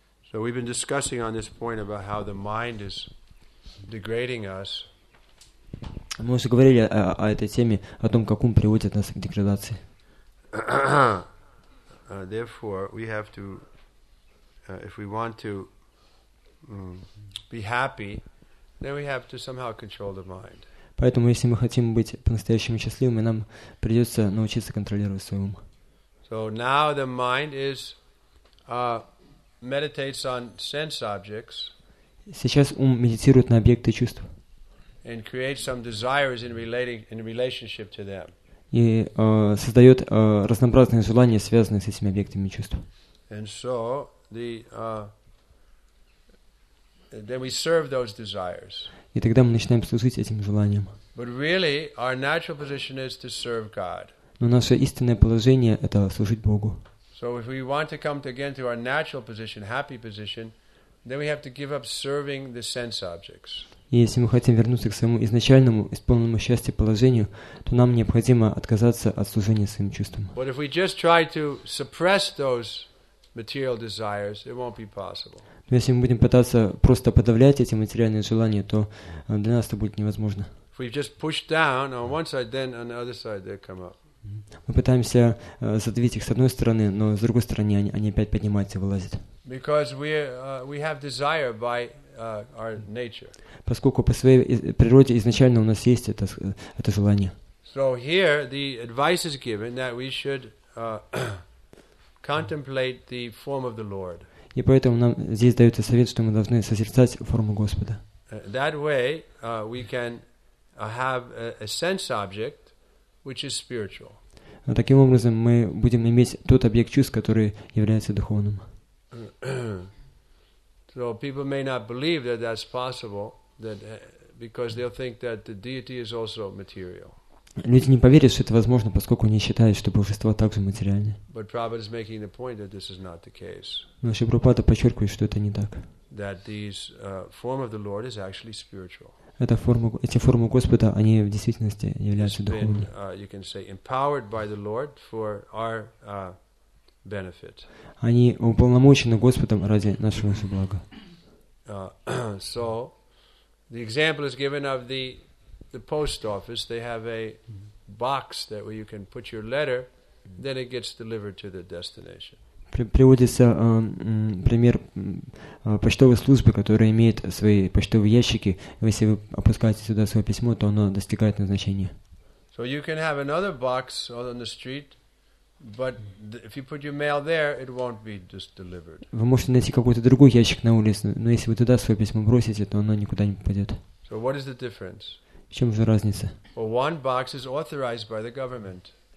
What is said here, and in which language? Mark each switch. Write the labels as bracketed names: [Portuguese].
[English] So we've been discussing on this point about how the mind is degrading us. [Russian] Мы уже говорили о этой теме, о том, как ум приводит нас к деградации. [English] Therefore, we have to, if we want to be happy, then we have to somehow control the mind. [Russian] Поэтому, если мы хотим быть по-настоящему счастливыми, нам придется научиться контролировать свой ум. [English] So now the mind is meditates on sense objects. [Russian] Сейчас ум медитирует на объекты чувств. [English] And creates some desires in relationship to them. [Russian] И создает разнообразные желания, связанные с этими объектами чувств. [English] And so then we serve those desires. [Russian] И тогда мы начинаем служить этим желаниям. [English] But really, our natural position is to serve God. [Russian] Но наше истинное положение – это служить Богу. [English] So if we want to come again to our natural position, happy position, then we have to give up serving the sense objects. [Russian] И если мы хотим вернуться к своему изначальному, исполненному счастья положению, то нам необходимо отказаться от служения своим чувствам. [English] But if we just try to suppress those material desires, it won't be possible. [Russian] Но если мы будем пытаться просто подавлять эти материальные желания, то для нас это будет невозможно. [English] If we just push down on one side, then on the other side they come up. [Russian] Мы пытаемся задавить их с одной стороны, но с другой стороны они опять поднимаются и вылазят. [English] Because we have desire by our nature. [Russian] Поскольку по своей природе изначально у нас есть это желание. [English] So here the advice is given that we should contemplate the form of the Lord. [Russian] И поэтому нам здесь дается совет, что мы должны созерцать форму Господа. [English] That way we can have a sense object which is spiritual. [Russian] Таким образом мы будем иметь тот объект чувств, который является духовным. [English] So people may not believe that that's possible, that because they'll think that the deity is also material. [Russian] Люди не поверят, что это возможно, поскольку они считают, что божество также материальное. [English] But Prabhupada is making the point that this is not the case. [Russian] Но Шри Прабхупада подчеркивает, что это не так. [English] That these form of the Lord is actually spiritual. [Russian] Эти формы Господа, они в действительности являются духовными. [English] You can say empowered by the Lord for our benefit. [Russian] Они уполномочены Господом ради нашего же блага. [English] So, The example is given of the post office. They have a box that where you can put your letter, then it gets delivered to the destination. [Russian] Приводится пример почтовой службы, которая имеет свои почтовые ящики. Если вы опускаете сюда свое письмо, то оно достигает назначения. [English] So you can have another box on the street, but if you put your mail there, it won't be just delivered. [Russian] Вы можете найти какой-то другой ящик на улице, но если вы туда свое письмо бросите, то оно никуда не попадет. [English] So what is the difference? [Russian] В чем же разница? [English] Well, one box is authorized by the government.